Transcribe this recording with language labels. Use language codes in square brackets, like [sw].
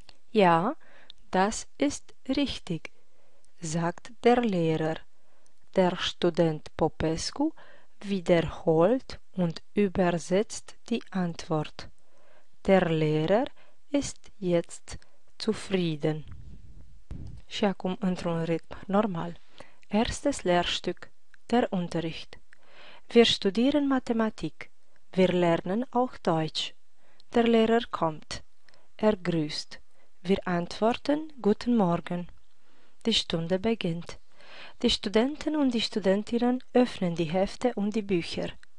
[de] Ja, das ist richtig, sagt der Lehrer. Der Student Popescu wiederholt und übersetzt die Antwort. Der Lehrer ist jetzt zufrieden. [ro] Și acum într-un ritm normal. [de] Erstes Lehrstück, der Unterricht. Wir studieren Mathematik. Wir lernen auch Deutsch. Der Lehrer kommt. Er grüßt. Wir antworten: Guten Morgen. Die Stunde beginnt. Die Studenten und die Studentinnen öffnen die Hefte und die Bücher.